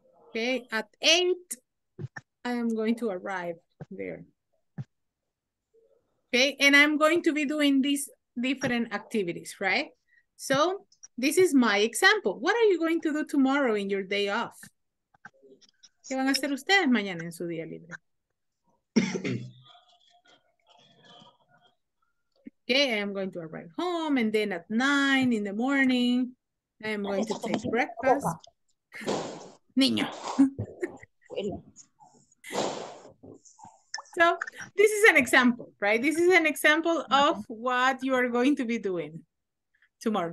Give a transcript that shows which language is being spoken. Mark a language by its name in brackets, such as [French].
[English] Okay, at 8, I am going to arrive there. Okay, and I'm going to be doing these different activities, right? So this is my example. What are you going to do tomorrow in your day off? [Spanish] ¿Qué van a hacer ustedes mañana en su día libre? [English] Okay, I am going to arrive home, and then at 9 in the morning, I am going to take breakfast. Niño. So this is an example, right? This is an example of what you are going to be doing tomorrow.